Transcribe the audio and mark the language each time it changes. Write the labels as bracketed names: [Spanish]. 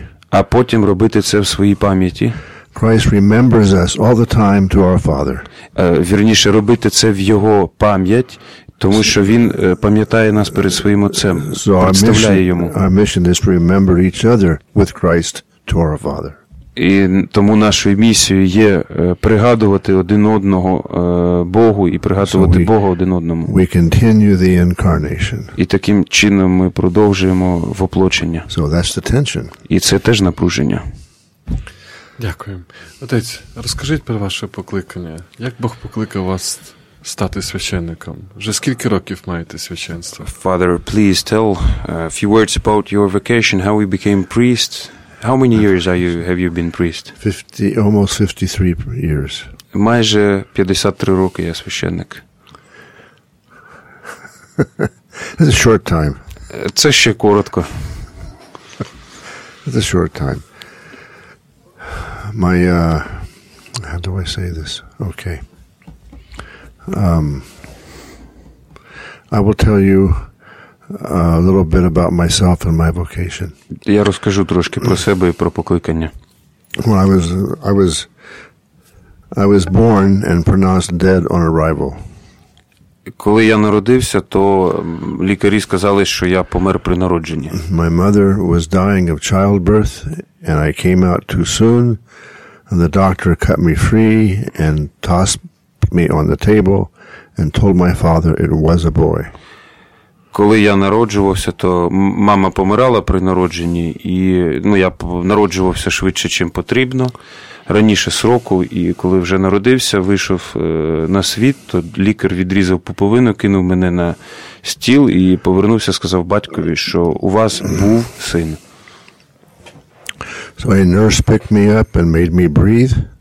[Ukrainian] А потім робити це в своїй пам'яті. [English] Christ remembers us all the time to our Father. [Ukrainian] Вірніше, робити це в його пам'ять, тому що він пам'ятає нас перед своїм Отцем, представляє йому. [English] Our mission is to remember each other with Christ to our Father. [Ukrainian] І тому нашою місією є пригадувати один одного Богу і пригадувати Бога один одному. [English] We continue the incarnation. [Ukrainian] І таким чином ми продовжуємо воплочення. [English] So that's the tension. [Ukrainian] І це теж напруження. Дякую. Отець, розкажіть про ваше покликання. Як Бог покликав вас стати священником? Вже скільки років маєте священство? [English] Father, please tell a few words about your vocation, how you became priest. How many years have you been priest? Almost 53 years. [Ukrainian] Майже 53 роки я священник. [English] It's a short time. [Ukrainian] Це ще коротко. [English] It's a short time. My how do I say this? Okay. I will tell you a little bit about myself and my vocation. [Ukrainian] Я розкажу трошки про себе і про покликання. [English] When I was born and pronounced dead on arrival. [Ukrainian] Коли я народився, то лікарі сказали, що я помер при народженні. [English] My mother was dying of childbirth and I came out too soon. And the doctor cut me free and tossed me on the table and told my father it was a boy. [Ukrainian] Коли я народжувався, то мама помирала при народженні, і, ну, я народжувався швидше, чим потрібно, раніше сроку, і коли вже народився, вийшов на світ, то лікар відрізав пуповину, кинув мене на стіл і повернувся, сказав батькові, що у вас був син. [English] So a nurse picked me up and made me breathe.